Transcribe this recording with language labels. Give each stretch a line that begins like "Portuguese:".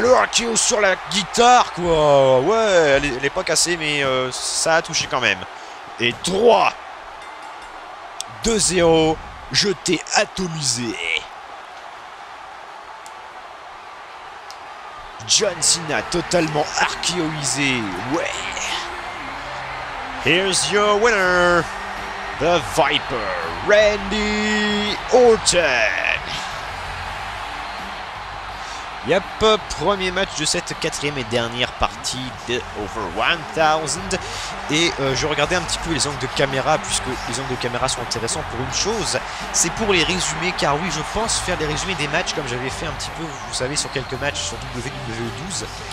French: Le RKO sur la guitare, quoi. Ouais, elle est pas cassée, mais ça a touché quand même. Et 3. 2-0. Je t'ai atomisé. John Cena totalement archéoïsé. Ouais.
English: Here's your winner, the Viper, Randy Orton.
French: Yep, premier match de cette quatrième et dernière partie de Over 1000. Et je regardais un petit peu les angles de caméra, puisque les angles de caméra sont intéressants pour une chose, c'est pour les résumés, car oui, je pense faire des résumés des matchs, comme j'avais fait un petit peu, vous savez, sur quelques matchs sur WWE 12.